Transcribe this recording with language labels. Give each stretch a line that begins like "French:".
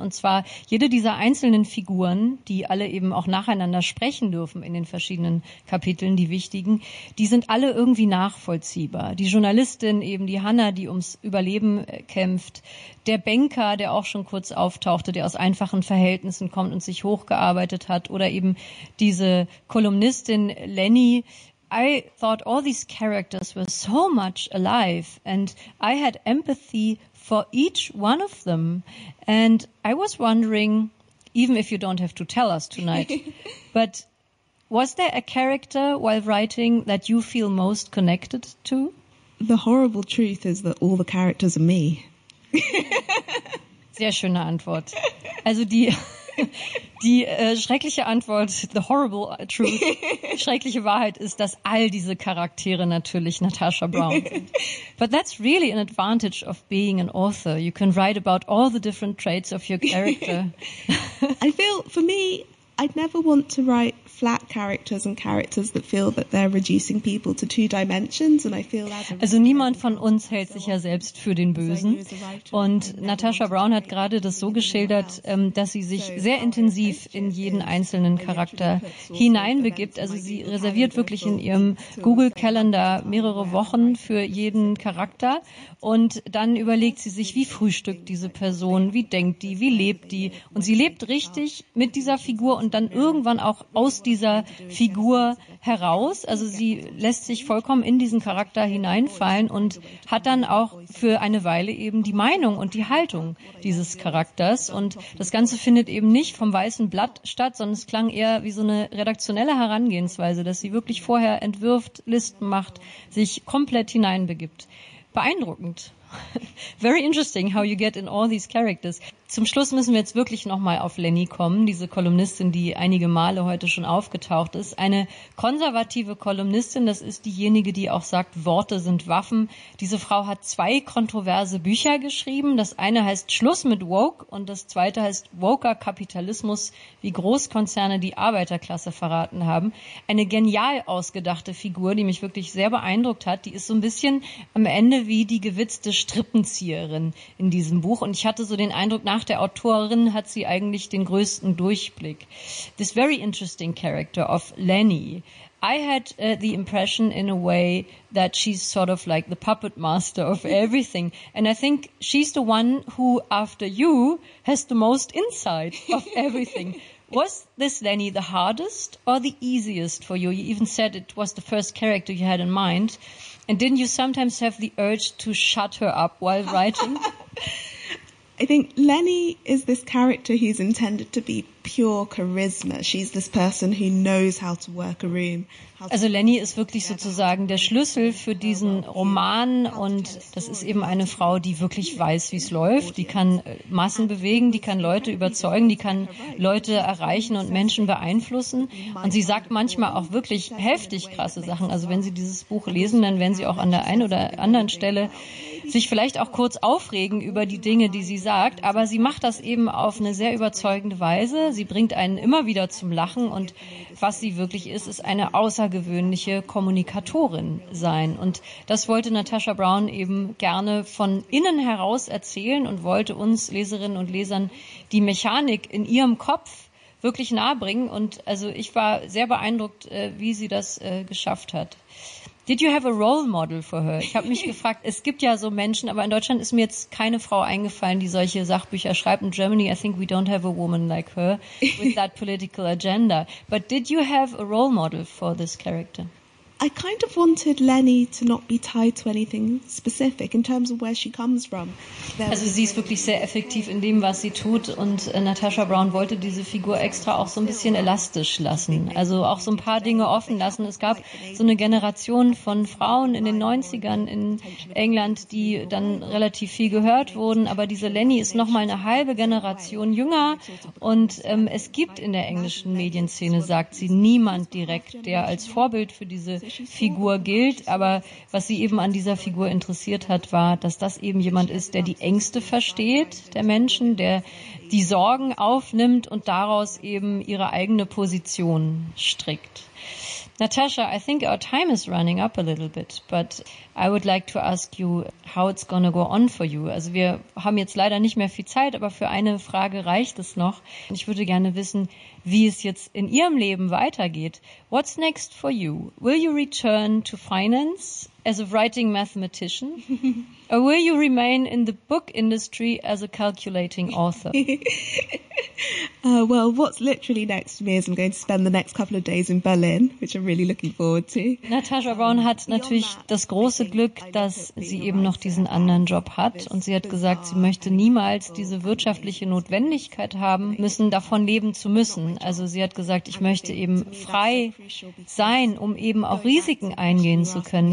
German: Und zwar jede dieser einzelnen Figuren, die alle eben auch nacheinander sprechen dürfen in den verschiedenen Kapiteln, die wichtigen, die sind alle irgendwie nachvollziehbar. Die Journalistin, eben die Hannah, die ums Überleben kämpft. Der Banker, der auch schon kurz auftauchte, der aus einfachen Verhältnissen kommt und sich hochgearbeitet hat. Oder eben diese Kolumnistin Lenny.
English: I thought all these characters were so much alive and I had empathy for each one of them. And I was wondering, even if you don't have to tell us tonight, but was there a character while writing that you feel most connected to? The horrible truth is that all the characters are me.
German: Sehr schöne Antwort. Also die... Die schreckliche Antwort,
English: the horrible truth,
German: schreckliche Wahrheit ist, dass all diese Charaktere natürlich Natasha Brown sind.
English: But that's really an advantage of being an author. You can write about all the different traits of your character. I feel, for me, I'd never want to write flat characters and characters that feel that they're reducing people to two dimensions. And I feel that
German: also niemand von uns hält sich ja selbst für den Bösen. Und Natasha Brown hat gerade das so geschildert, dass sie sich sehr intensiv in jeden einzelnen Charakter hineinbegibt. Also sie reserviert wirklich in ihrem Google-Kalender mehrere Wochen für jeden Charakter. Und dann überlegt sie sich, wie frühstückt diese Person, wie denkt die, wie lebt die. Und sie lebt richtig mit dieser Figur und dann irgendwann auch aus dieser Figur heraus. Also sie lässt sich vollkommen in diesen Charakter hineinfallen und hat dann auch für eine Weile eben die Meinung und die Haltung dieses Charakters. Und das Ganze findet eben nicht vom weißen Blatt statt, sondern es klang eher wie so eine redaktionelle Herangehensweise, dass sie wirklich vorher entwirft, Listen macht, sich komplett hineinbegibt. Beeindruckend.
English: Very interesting how you get in all these characters.
German: Zum Schluss müssen wir jetzt wirklich nochmal auf Lenny kommen, diese Kolumnistin, die einige Male heute schon aufgetaucht ist. Eine konservative Kolumnistin, das ist diejenige, die auch sagt, Worte sind Waffen. Diese Frau hat zwei kontroverse Bücher geschrieben. Das eine heißt Schluss mit Woke und das zweite heißt Woker Kapitalismus, wie Großkonzerne die Arbeiterklasse verraten haben. Eine genial ausgedachte Figur, die mich wirklich sehr beeindruckt hat. Die ist so ein bisschen am Ende wie die gewitzte Strippenzieherin in diesem Buch. Und ich hatte so den Eindruck, nach der Autorin hat sie eigentlich den größten Durchblick.
English: This very interesting character of Lenny. I had the impression in a way that she's sort of like the puppet master of everything. And I think she's the one who, after you, has the most insight of everything. Was this Lenny the hardest or the easiest for you? You even said it was the first character you had in mind. And didn't you sometimes have the urge to shut her up while writing? I think Lenny is this character who's intended to be pure charisma. She's this person who knows how to work a room.
German: Also Lenny ist wirklich sozusagen der Schlüssel für diesen Roman und das ist eben eine Frau, die wirklich weiß, wie es läuft. Die kann Massen bewegen, die kann Leute überzeugen, die kann Leute erreichen und Menschen beeinflussen. Und sie sagt manchmal auch wirklich heftig krasse Sachen. Also wenn Sie dieses Buch lesen, dann werden Sie auch an der einen oder anderen Stelle sich vielleicht auch kurz aufregen über die Dinge, die sie sagt. Aber sie macht das eben auf eine sehr überzeugende Weise. Sie bringt einen immer wieder zum Lachen und was sie wirklich ist, ist eine außergewöhnliche Kommunikatorin sein. Und das wollte Natasha Brown eben gerne von innen heraus erzählen und wollte uns Leserinnen und Lesern die Mechanik in ihrem Kopf wirklich nahebringen. Und also ich war sehr beeindruckt, wie sie das geschafft hat.
English: Did you have a role model for her?
German: Ich habe mich gefragt, es gibt ja so Menschen, aber in Deutschland ist mir jetzt keine Frau eingefallen, die solche Sachbücher schreibt.
English: In Germany, I think we don't have a woman like her with that political agenda. But did you have a role model for this character? I kind of wanted Lenny to not be tied to anything specific in terms of where she comes from.
German: Also sie ist wirklich sehr effektiv in dem, was sie tut. Und Natasha Brown wollte diese Figur extra auch so ein bisschen elastisch lassen. Also auch so ein paar Dinge offen lassen. Es gab so eine Generation von Frauen in den 90ern in England, die dann relativ viel gehört wurden. Aber diese Lenny ist noch mal eine halbe Generation jünger. Und es gibt in der englischen Medienszene, sagt sie, niemand direkt, der als Vorbild für diese Figur gilt, aber was sie eben an dieser Figur interessiert hat, war, dass das eben jemand ist, der die Ängste versteht, der Menschen, der die Sorgen aufnimmt und daraus eben ihre eigene Position strickt.
English: Natasha, I think our time is running up a little bit, but I would like to ask you how it's gonna go on for you.
German: Also wir haben jetzt leider nicht mehr viel Zeit, aber für eine Frage reicht es noch. Ich würde gerne wissen, wie es jetzt in Ihrem Leben weitergeht.
English: What's next for you? Will you return to finance as a writing mathematician? Or will you remain in the book industry as a calculating author? Well, what's literally next for me is I'm going to spend the next couple of days in Berlin, which I'm really looking forward to.
German: Natasha Brown hat natürlich das große Glück, dass sie eben noch diesen anderen Job hat. Und sie hat gesagt, sie möchte niemals diese wirtschaftliche Notwendigkeit haben müssen, davon leben zu müssen. Also sie hat gesagt, ich möchte eben frei sein, um eben auch Risiken eingehen zu können.